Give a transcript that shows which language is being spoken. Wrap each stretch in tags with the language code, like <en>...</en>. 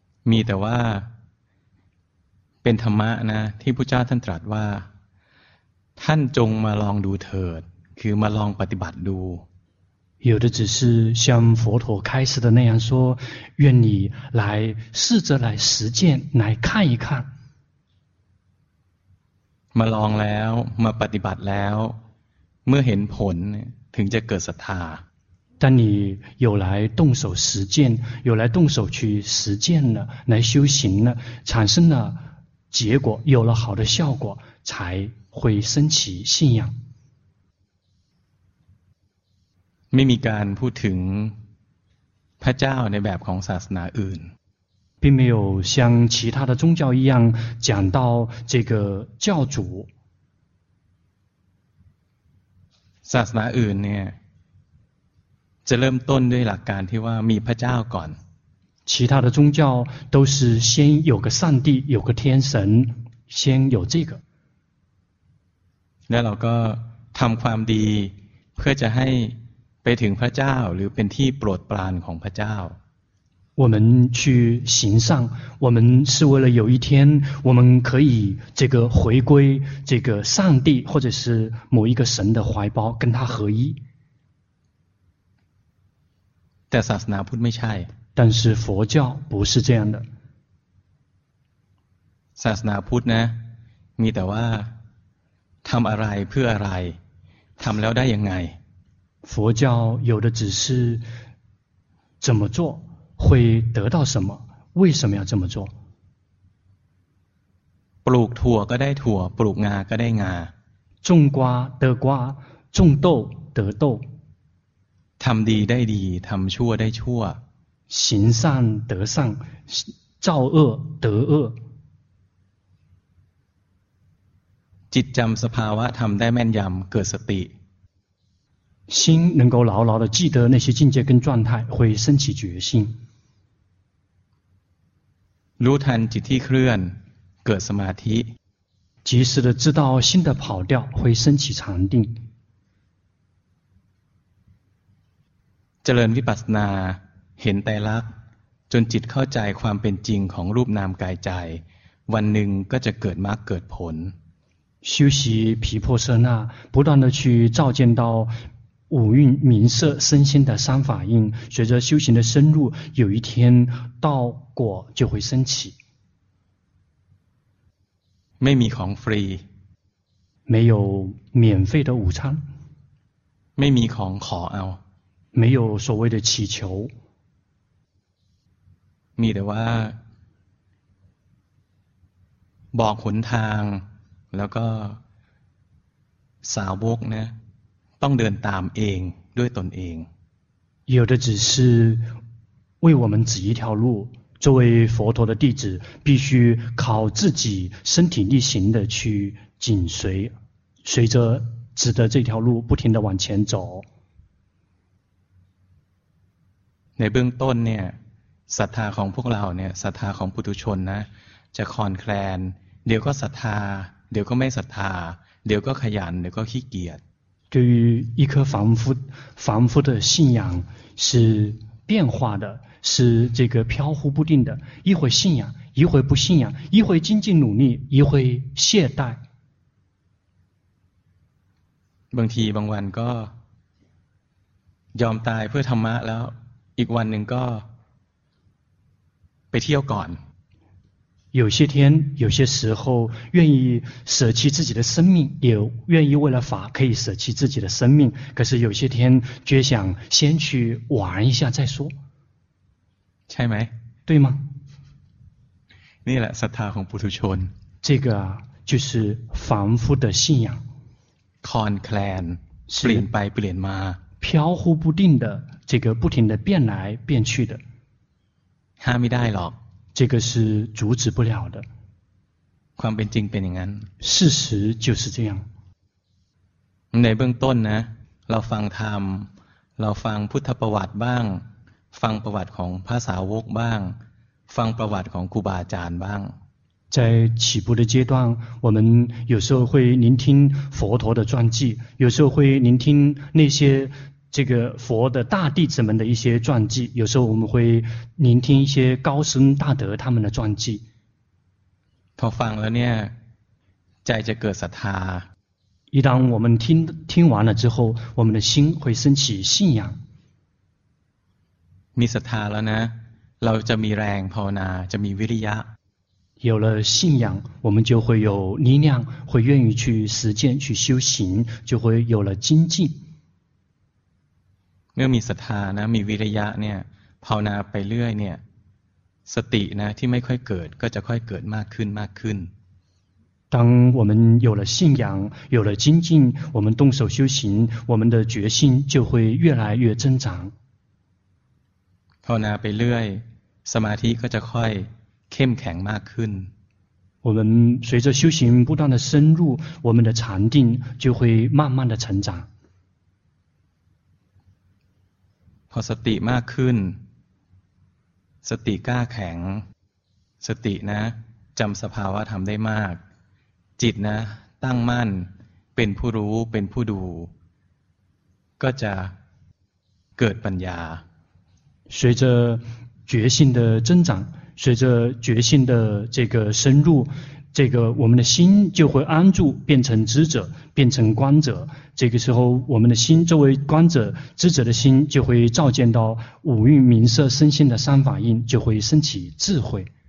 <th>มีแต่ว่าเป็นธรรมะนะที่พุทธเจ้าท่านตรัสว่าท่านจงมาลองดูเถิดคือมาลองปฏิบัติดู</th> <zh>有的只是像佛陀开始的那样说愿你来试着来实践来看一看</zh> <th>มาลองแล้วมาปฏิบัติแล้วเมื่อเห็นผลถึงจะเกิดศรัทธา</th> <zh>当你有来动手实践有来动手去实践了来修行了产生了结果有了好的效果才会升起信仰</zh> <th>ไม่มีการพูดถึงพระเจ้าในแบบของศาสนาอื่น</th> <zh>并没有像其他的宗教一样讲到这个教主</zh> <th>ศาสนาอื่นเนี่ยจะเริ่มต้นด้วยหลักการที่ว่ามีพระเจ้าก่อน</th> <zh>其他的宗教都是先有个上帝有个天神先有这个</zh> <th>แล้วเราก็ทำความดีเพื่อจะใหไปถึงพระเจ้าหรือเป็นที่โปรดปรานของพระเจ้า</th> <zh>我们去行善我们是为了有一天我们可以这个回归这个上帝或者是某一个神的怀抱跟他合一</zh> <th>แต่ศาสนาพุทธไม่ใช่</th> <zh>但是佛教不是这样的</zh> <th>ศาสนาพุทธนะมีแต่ว่าทำอะไรเพื่ออะไรทำแล้วได้ยังไง</th> <zh>佛教有的只是怎么做会得到什么为什么要这么做</zh> <th>ปลูกถั่วก็ได้ถั่วปลูกงาก็ได้งา</th> <zh>种瓜得瓜种豆得豆</zh> <th>ทำดีได้ดีทำชั่วได้ชั่ว</th> <zh>行善得善造恶得恶</zh> <th>จิตจำสภาวะทำได้แม่นยำเกิดสติ</th> <zh>心能够牢牢地记得那些境界跟状态会升起决心</zh> <th>รู้ทันจิตที่เคลื่อนเกิดสมาธิ</th> <zh>及时地知道心的跑掉会升起禅定</zh> <th>เจริญวิปัสสนาเห็นไตรลักษณ์จนจิตเข้าใจความเป็นจริงของรูปนามกายใจวันหนึ่งก็จะเกิดมรรคเกิดผล</th> <zh>修习毗婆舍那不断地去照见到五蕴名色身心的三法印随着修行的深入有一天道果就会升起</zh> <th>ไม่มีของฟรี</th> <zh>没有免费的午餐</zh> <th>ไม่มีของขอเอา</th> <zh>没有所谓的祈求</zh> <th>มีแต่ว่าบอกหนทางแล้วก็สาวกนะต้องเดินตามเองด้วยตนเอง</th> <zh>有的只是为我们指一条路作为佛陀的弟子，必须靠自己身体力行的去紧随，随着指的这条路不停的往前走。</zh> <th>ในเบื้องต้นเนี่ยศรัทธาของพวกเราเนี่ยศรัทธาของปุถุชนนะจะคลอนแคลนเดี๋ยวก็ศรัทธาเดี๋ยวก็ไม่ศรัทธาเดี๋ยวก็ขยันเดี๋ยวก็ขี้เกียจ</th> <zh>对于一颗凡夫的信仰是变化的，是这个飘忽不定的，一会信仰，一会不信仰，一会精进努力，一会懈怠。</zh> <th>บางทีบางวันก็ยอมตายเพื่อธรรมะแล้วอีกวันหนึ่งก็ไปเที่ยวก่อน</th> <zh>有些天有些时候愿意舍弃自己的生命，也愿意为了法可以舍弃自己的生命，可是有些天却想先去玩一下再说。</zh> <th>ใช่ไหม</th> <zh>对吗？</zh> <th>นี่แหละศรัทธาของปุถุชน</th> <zh>这个就是凡夫的信仰</zh> <th>คลอนแคลนเปลี่ยนไปเปลี่ยนมา</th> <zh>飘忽不定的这个不停的变来变去的</zh> <th>ห้ามไม่ได้หรอก</th> <zh>这个是阻止不了的</zh> <th>ความเป็นจริงเป็นอย่างนั้น</th> <zh>事实就是这样</zh> <th>ในเบื้องต้นนะเราฟังธรรมเราฟังพุทธประวัติบ้างฟังประวัติของพระสาวกบ้างฟังประวัติของครูบาอาจารย์บ้าง</th> <zh>在起步的阶段，我们有时候会聆听佛陀的传记，有时候会聆听那些这个佛的大弟子们的一些传记，有时候我们会聆听一些高僧大德他们的传记。听完了呢，再这个生他。一旦我们听完了之后，我们的心会升起信仰。</zh> <th>มีศรัทธาแล้วนะเราจะมีแรงภาวนาจะมีวิริยะ</th> <zh>有了信仰我们就会有力量会愿意去实践去修行就会有了精进</zh> <th>เมื่อมีศรัทธานะมีวิริยะเนี่ยภาวนาไปเรื่อยเนี่ยสตินะที่ไม่ค่อยเกิดก็จะค่อยเกิดมากขึ้นมากขึ้น</th> <zh>当我们有了信仰有了精进我们动手修行我们的决心就会越来越增长</zh> <th>ภาวนาไปเรื่อยสมาธิก็จะค่อยเข้มแข็งมากขึ้น</th> <zh>我们随着修行不断的深入我们的禅定就会慢慢的成长</zh> <th>พอสติมากขึ้นสติกล้าแข็งสตินะจำสภาวะธรรมได้มากจิตนะตั้งมั่นเป็นผู้รู้เป็นผู้ดูก็จะเกิดปัญญา</th> <zh>随着决心的增长，随着决心的这个深入，这个我们的心就会安住，变成知者，变成观者。这个时候，我们的心作为观者、知者的心，就会照见到五蕴名色身心的三法印，就会升起智慧。</zh>